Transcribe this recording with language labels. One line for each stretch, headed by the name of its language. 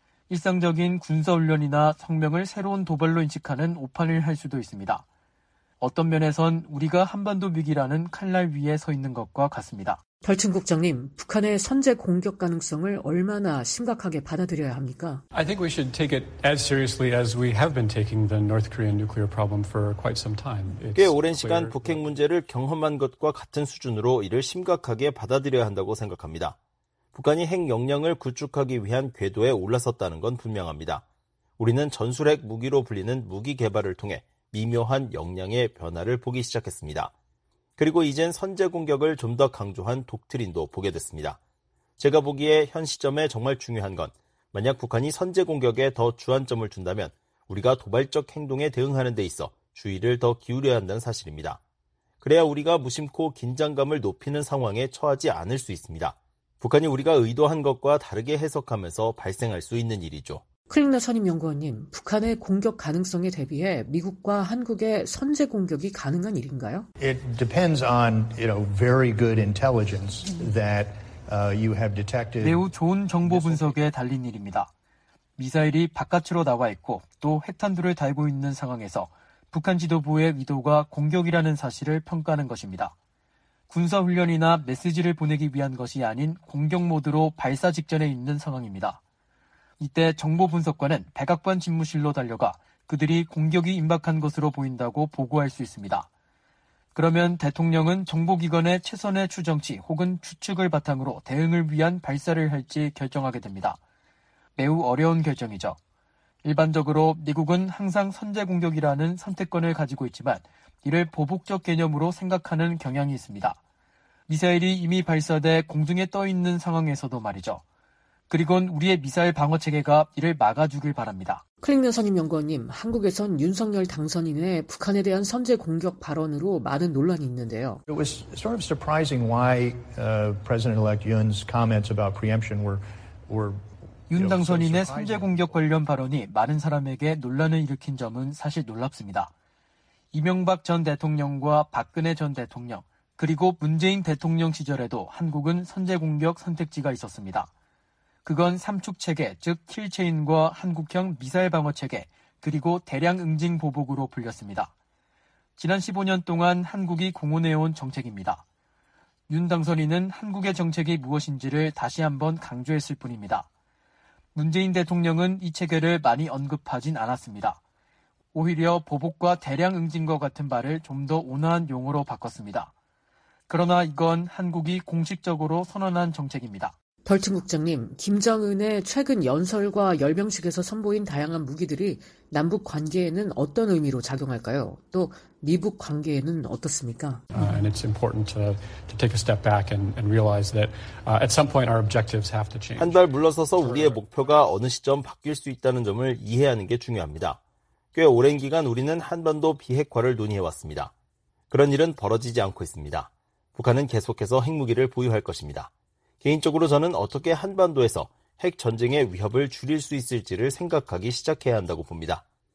Korean: 일상적인 군사훈련이나 성명을 새로운 도발로 인식하는 오판을 할 수도 있습니다. 어떤 면에선 우리가 한반도 위기라는 칼날 위에 서 있는 것과 같습니다. 덜튼 국장님, 북한의 선제 공격 가능성을 얼마나 심각하게 받아들여야 합니까?
English: I think we should take it as seriously as we have been taking the North Korean nuclear problem for quite some time.
Korean: 꽤 오랜 시간 북핵 문제를 경험한 것과 같은 수준으로 이를 심각하게 받아들여야 한다고 생각합니다. 북한이 핵 역량을 구축하기 위한 궤도에 올라섰다는 건 분명합니다. 우리는 전술핵 무기로 불리는 무기 개발을 통해 미묘한 역량의 변화를 보기 시작했습니다. 그리고 이젠 선제 공격을 좀 더 강조한 독트린도 보게 됐습니다. 제가 보기에 현 시점에 정말 중요한 건 만약 북한이 선제 공격에 더 주안점을 둔다면 우리가 도발적 행동에 대응하는 데 있어 주의를 더 기울여야 한다는 사실입니다. 그래야 우리가 무심코 긴장감을 높이는 상황에 처하지 않을 수 있습니다. 북한이 우리가 의도한 것과 다르게 해석하면서 발생할 수 있는 일이죠. 클링너 선임연구원님, 북한의 공격 가능성에 대비해 미국과 한국의 선제 공격이 가능한 일인가요?
English: It depends on, you know, very good intelligence that you have detected.
Korean: 매우 좋은 정보 분석에 달린 일입니다. 미사일이 바깥으로 나와 있고 또 핵탄두를 달고 있는 상황에서 북한 지도부의 의도가 공격이라는 사실을 평가하는 것입니다. 군사훈련이나 메시지를 보내기 위한 것이 아닌 공격 모드로 발사 직전에 있는 상황입니다. 이때 정보 분석관은 백악관 집무실로 달려가 그들이 공격이 임박한 것으로 보인다고 보고할 수 있습니다. 그러면 대통령은 정보기관의 최선의 추정치 혹은 추측을 바탕으로 대응을 위한 발사를 할지 결정하게 됩니다. 매우 어려운 결정이죠. 일반적으로 미국은 항상 선제 공격이라는 선택권을 가지고 있지만 이를 보복적 개념으로 생각하는 경향이 있습니다. 미사일이 이미 발사돼 공중에 떠 있는 상황에서도 말이죠. 그리고는 우리의 미사일 방어 체계가 이를 막아주길 바랍니다. 클링너 선임 연구원님, 한국에선 윤석열 당선인의 북한에 대한 선제 공격 발언으로 많은 논란이 있는데요.
English: It was sort of surprising why President-elect Yun's comments about preemption were
Korean: 윤 당선인의 선제 공격 관련 발언이 많은 사람에게 논란을 일으킨 점은 사실 놀랍습니다. 이명박 전 대통령과 박근혜 전 대통령, 그리고 문재인 대통령 시절에도 한국은 선제 공격 선택지가 있었습니다. 그건 삼축체계, 즉 킬체인과 한국형 미사일 방어체계, 그리고 대량 응징 보복으로 불렸습니다. 지난 15년 동안 한국이 공언해온 정책입니다. 윤 당선인은 한국의 정책이 무엇인지를 다시 한번 강조했을 뿐입니다. 문재인 대통령은 이 체계를 많이 언급하진 않았습니다. 오히려 보복과 대량 응징과 같은 말을 좀 더 온화한 용어로 바꿨습니다. 그러나 이건 한국이 공식적으로 선언한 정책입니다. 덜튼 국장님, 김정은의 최근 연설과 열병식에서 선보인 다양한 무기들이 남북 관계에는 어떤 의미로 작용할까요? 또 미북 관계에는 어떻습니까?
English: And it's important to take a step back and realize that at some point our objectives have to change.
Korean: 한 발 물러서서 우리의 목표가 어느 시점 바뀔 수 있다는 점을 이해하는 게 중요합니다. 꽤 오랜 기간 우리는 한반도 비핵화를 논의해왔습니다. 그런 일은 벌어지지 않고 있습니다. 북한은 계속해서 핵무기를 보유할 것입니다. 개인적으로 저는 어떻게 한반도에서 핵전쟁의 위협을 줄일 수 있을지를 생각하기 시작해야 한다고 봅니다.